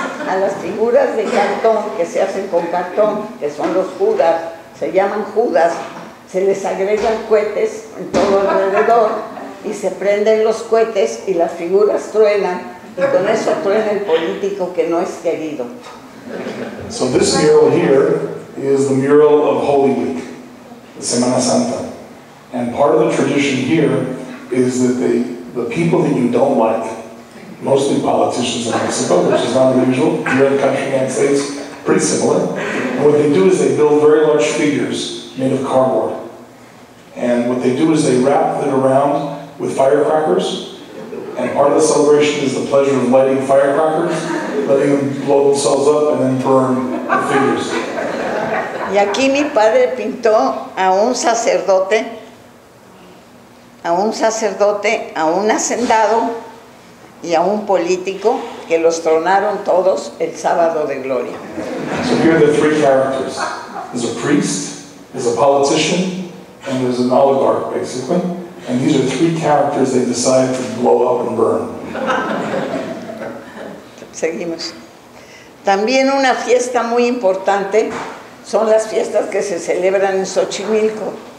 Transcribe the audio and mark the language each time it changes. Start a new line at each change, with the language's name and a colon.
Spanish: A las figuras de cartón, que se hacen con cartón, que son los Judas, se llaman Judas, se les agregan cohetes en todo alrededor y se prenden los cohetes y las figuras truenan, y con eso truena el político que no es querido.
English: So this mural here is the mural of Holy Week, Semana Santa. And part of the tradition here is that the people that you don't like, mostly politicians in Mexico, which is not unusual, here in the country, United States, pretty similar. And what they do is they build very large figures made of cardboard. And what they do is they wrap it around with firecrackers. And part of the celebration is the pleasure of lighting firecrackers, letting them blow themselves up and then burn the figures.
Spanish: Y aquí mi padre pintó a un sacerdote, a un hacendado y a un político que los tronaron todos el sábado de gloria.
English: So here are the three characters. There's a priest, there's a politician, and there's an oligarch, basically. And these are three characters they decide to blow up and burn.
Spanish: Seguimos. También una fiesta muy importante son las fiestas que se celebran en Xochimilco.